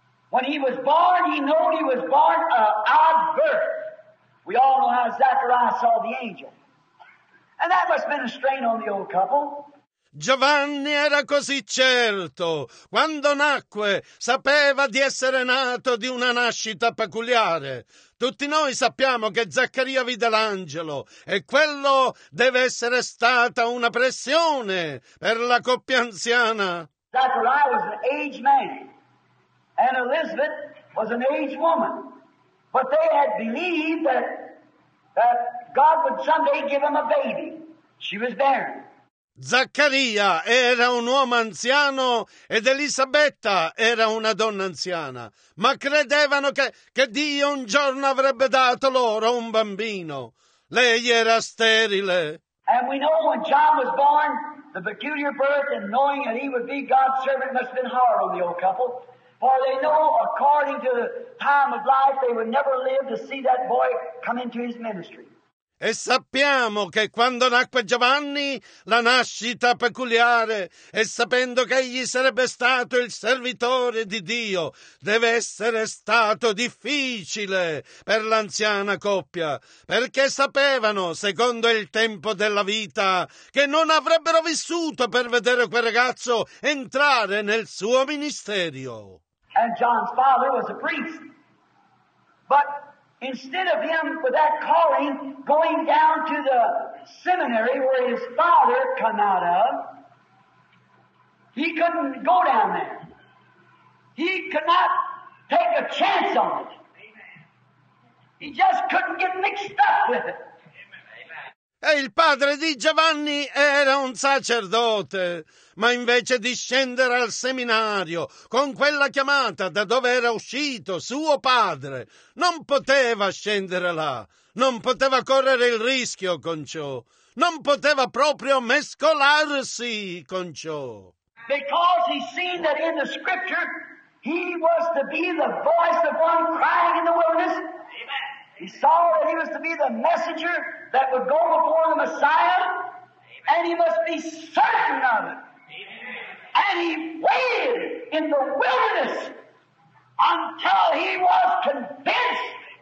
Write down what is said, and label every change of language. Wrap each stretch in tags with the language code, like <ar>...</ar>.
<en>When he was born, he knew he was born an odd birth. We all know how Zachariah saw the angel. And that must have been a strain on the old couple.</en> <it>Giovanni era così certo. Quando nacque, sapeva di essere nato di una nascita peculiare. Tutti noi sappiamo che Zaccaria vide l'angelo e quello deve essere stata una pressione per la coppia anziana.</it> <en>Zachariah was an aged man and Elizabeth was an aged woman. But they had believed that God would someday give him a baby. She was barren.</en> <it>Zaccaria era un uomo anziano ed Elisabetta era una donna anziana, ma credevano che Dio un giorno avrebbe dato loro un bambino. Lei era sterile.</it> <en>And we know when John was born, the peculiar birth and knowing that he would be God's servant must have been hard on the old couple, for they know according to the time of life they would never live to see that boy come into his ministry.</en> <it>E sappiamo che quando nacque Giovanni, la nascita peculiare, e sapendo che egli sarebbe stato il servitore di Dio, deve essere stato difficile per l'anziana coppia, perché sapevano, secondo il tempo della vita, che non avrebbero vissuto per vedere quel ragazzo entrare nel suo ministero.</it> <en>And John's father was a priest. But instead of him, with that calling, going down to the seminary where his father come out of, he couldn't go down there. He could not take a chance on it. He just couldn't get mixed up with it.</en> <it>E il padre di Giovanni era un sacerdote, ma invece di scendere al seminario con quella chiamata da dove era uscito suo padre, non poteva scendere là, non poteva correre il rischio con ciò, non poteva proprio mescolarsi con ciò.</it> <en>Because he seen that in the scripture he was to be the voice of one crying in the wilderness. He saw that he was to be the messenger that would go before the Messiah. Amen. And he must be certain of it. Amen. And he waited in the wilderness until he was convinced.</en>